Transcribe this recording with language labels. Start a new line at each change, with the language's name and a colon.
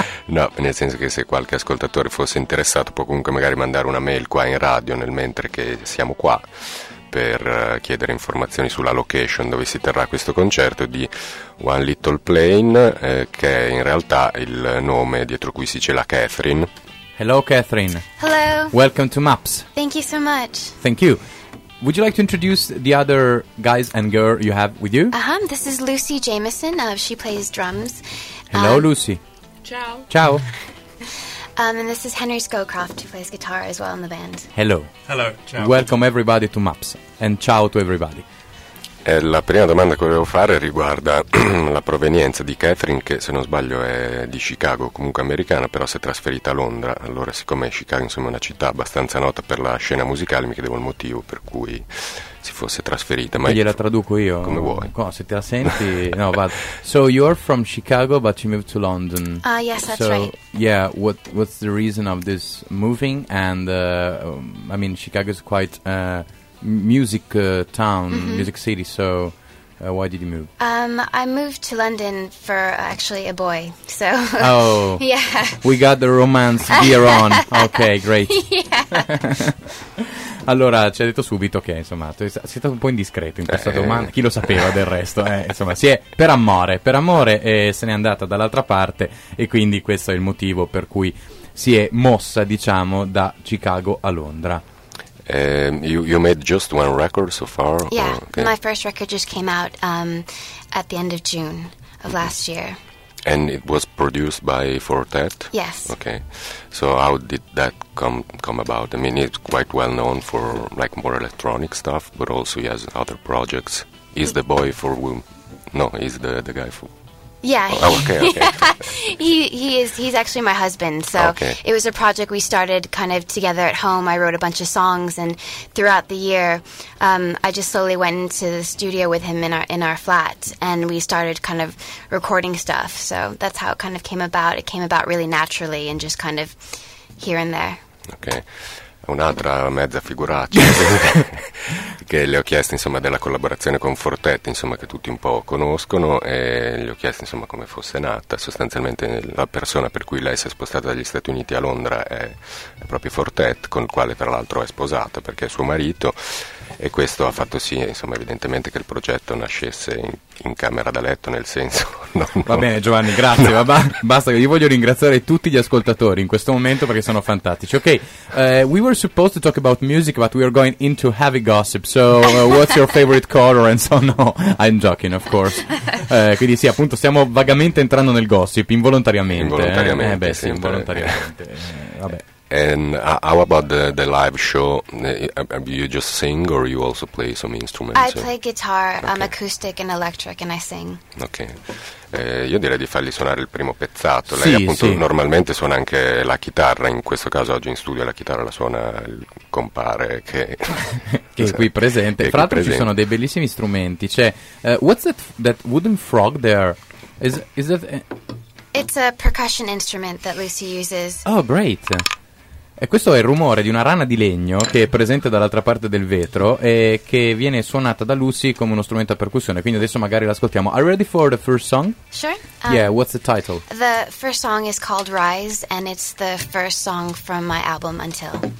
Italian: No, nel senso che se qualche ascoltatore fosse interessato può comunque magari mandare una mail qua in radio nel mentre che siamo qua per chiedere informazioni sulla location dove si terrà questo concerto di One Little Plane, che è in realtà il nome dietro cui si cela Catherine.
English: Hello Catherine. Hello. Welcome to MAPS. Thank you so much. Thank you. Would you like to introduce the other guys and girl you have with you? This is Lucy Jameson. She plays drums. Hello, Lucy.
Italian: Ciao. Ciao.
English: And this is Henry Scowcroft, who plays guitar as well in the band. Hello. Hello. Ciao. Welcome everybody to MAPS. And ciao to everybody.
Italian: La prima domanda che volevo fare riguarda la provenienza di Catherine, che se non sbaglio è di Chicago, comunque americana, però si è trasferita a Londra. Allora, siccome Chicago insomma, è una città abbastanza nota per la scena musicale, mi chiedevo il motivo per cui si fosse trasferita. Ma gliela traduco io. Come vuoi. Se te la senti...
English: No, but... So, you're from Chicago, but you moved to London. Yes, that's so, right. Yeah, what's the reason of this moving? And, I mean, Chicago is quite... music town, mm-hmm. music city, so why did you move? I moved to London for actually a boy, so... Oh, yeah. We got the romance gear on, okay, great. Yeah.
Italian: Allora, ci ha detto subito che, insomma, sei stato un po' indiscreto in questa domanda, chi lo sapeva del resto, insomma, si è per amore, e se n'è andata dall'altra parte, e quindi questo è il motivo per cui si è mossa, diciamo, da Chicago a Londra.
English: You made just one record so far? Yeah, okay. My first record just came out at the end of June of last year. And it was produced by Fortet? Yes. Okay, so how did that come about? I mean, it's quite well known for like more electronic stuff, but also he has other projects. Is the boy for whom? No, he's the guy for... Yeah. Oh, okay. he's actually my husband. So okay. It was a project we started kind of together at home. I wrote a bunch of songs, and throughout the year, I just slowly went into the studio with him in our flat, and we started kind of recording stuff. So that's how it kind of came about. It came about really naturally and just kind of here and there. Okay.
Italian: Un'altra mezza figuraccia che le ho chiesto insomma della collaborazione con Fortet, insomma, che tutti un po' conoscono, e gli ho chiesto insomma come fosse nata. Sostanzialmente la persona per cui lei si è spostata dagli Stati Uniti a Londra è proprio Fortet, con il quale tra l'altro è sposata perché è suo marito, e questo ha fatto sì insomma evidentemente che il progetto nascesse in camera da letto, nel senso va bene Giovanni, grazie, no. Basta, io voglio ringraziare tutti gli ascoltatori in questo momento perché sono fantastici.
English: Ok, we were supposed to talk about music, but we are going into heavy gossip, so what's your favorite color and so on? No, I'm joking, of course.
Italian: Quindi sì, appunto, stiamo vagamente entrando nel gossip involontariamente. Eh beh, sì, involontariamente. Vabbè.
English: And how about the live show? You just sing or you also play some instruments? I play guitar, okay. I'm acoustic and electric, and I sing. Ok.
Italian: Io direi di fargli suonare il primo pezzato. Sì, lei appunto sì. Normalmente suona anche la chitarra, in questo caso oggi in studio la chitarra la suona il compare che... che è qui presente. Fra l'altro ci sono dei bellissimi strumenti.
English: Cioè, what's that wooden frog there? Is that... It's a percussion instrument that Lucy uses. Oh, great.
Italian: E questo è il rumore di una rana di legno che è presente dall'altra parte del vetro e che viene suonata da Lucy come uno strumento a percussione. Quindi adesso magari l'ascoltiamo.
English: Are you ready for the first song? Sure. Yeah, what's the title? The first song is called Rise, and it's the first song from my album Until.